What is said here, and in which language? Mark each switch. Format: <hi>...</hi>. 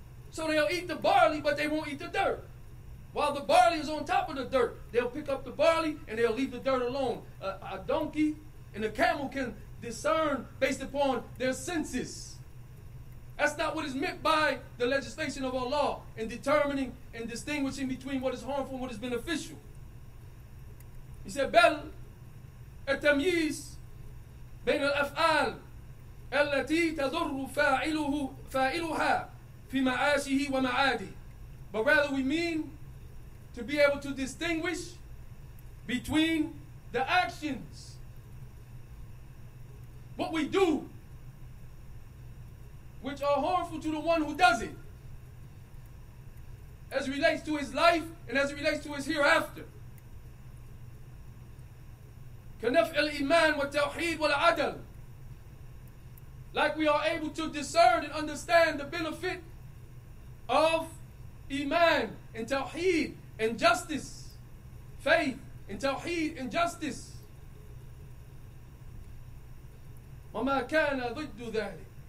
<en>So they'll eat the barley, but they won't eat the dirt. While the barley is on top of the dirt, they'll pick up the barley and they'll leave the dirt alone. A donkey and a camel can discern based upon their senses. That's not what is meant by the legislation of Allah in determining and distinguishing between what is harmful and what is beneficial. He said,</en> <ar>"Bel التمييز بين الأفعال التي تضر فاعلها في معاشه ومعاده."</ar> <en>But rather we mean to be able to distinguish between the actions, what we do, which are harmful to the one who does it, as it relates to his life and as it relates to his hereafter.</en> <ar>كنفع الإيمان والتوحيد والعدل.</ar> <en>Like we are able to discern and understand the benefit of Iman and Tawheed and justice, faith and Tawheed and justice.</en> <ar>وما كان ضد ذلك.</ar>